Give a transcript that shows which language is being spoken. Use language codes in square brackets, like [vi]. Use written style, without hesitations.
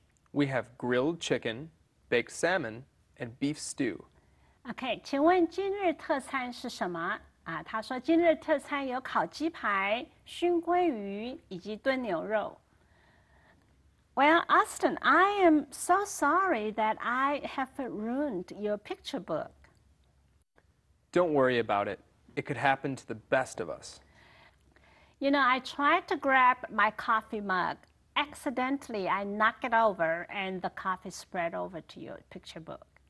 [en] We have grilled chicken, baked salmon, and beef stew. [zh] Okay, 请问今日特餐是什么？他说今日特餐有烤鸡排、熏鲑鱼以及炖牛肉。 [en] Well, Austin, I am so sorry that I have ruined your picture book. Don't worry about it. It could happen to the best of us. You know, I tried to grab my coffee mug. Accidentally, I knocked it over and the coffee spread over to your picture book.